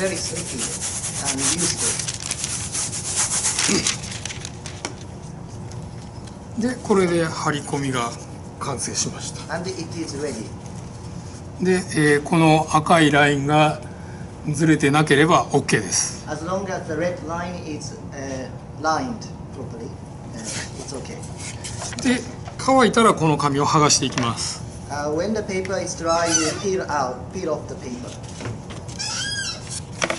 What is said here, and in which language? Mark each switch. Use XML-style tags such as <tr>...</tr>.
<en>It's very sticky and useful.</en> <ja>で、これで張り込みが完成しました。</ja> <en>And it is ready.</en> <ja>で、この赤いラインがずれてなければ OK です。</ja> <en>As long as the red line is lined properly, it's okay.</en> <ja>で、乾いたらこの紙を剥がしていきます。</ja> <en>When the paper is dry, you peel off the paper.</en>